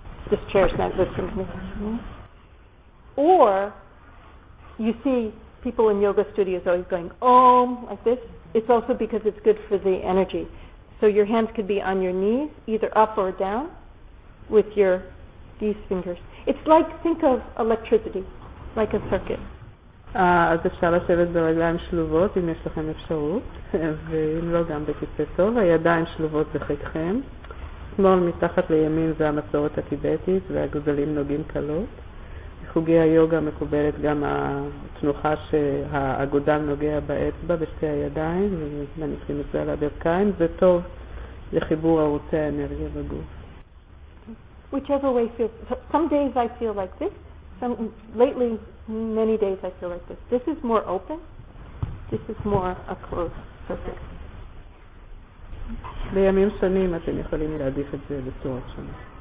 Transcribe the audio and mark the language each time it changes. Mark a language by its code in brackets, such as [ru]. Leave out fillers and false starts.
[en] This chair's not listening to me. Or you see people in yoga studios always going, om, like this. It's also because it's good for the energy. So your hands could be on your knees, either up or down, with your these fingers. It's like, think of electricity, like a circuit. [he] אז אפשר לשבת ברגליים שלובות אם יש לכם אפשרות ואם לא גם בכיסא טוב הידיים שלובות בחיקכם שמאל מתחת לימין זה המסורת הטיבטית והגודלים נוגעים קלות בחוגי היוגה מקובלת גם התנוחה שהאגודל נוגע באצבע בשתי הידיים ומניחים את זה על הברכיים זה טוב לחיבור ערוצי האנרגיה בגוף [en] whichever way feels some days I feel like this some lately many days I feel like this. This is more open. This is more a closed surface. [he] בימים שונים אתם יכולים להעדיף את זה בצורות שונות.